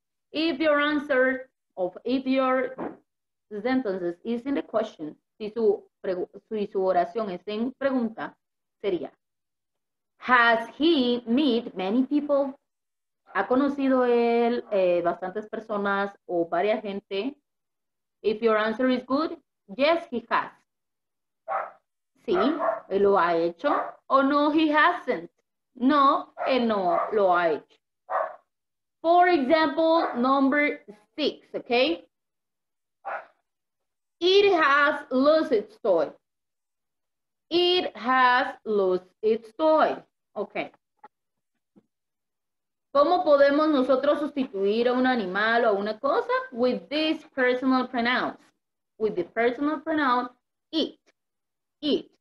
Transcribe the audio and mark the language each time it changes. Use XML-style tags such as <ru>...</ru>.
<en>If your answer of if your sentences is in the question,</en> <es>si su oración es en pregunta, sería</es> <en>has he met many people?</en> <es>¿Ha conocido él bastantes personas o varias gente?</es> <en>If your answer is good, yes, he has.</en> <es>Sí, él lo ha hecho.</es> <en>Oh, no, he hasn't.</en> <es>No, él no lo ha hecho.</es> <en>For example, number six, okay? It has lost its toy. It has lost its toy. Okay.</en> <es>¿Cómo podemos nosotros sustituir a un animal o a una cosa?</es> <en>With this personal pronoun. With the personal pronoun, it. It.</en>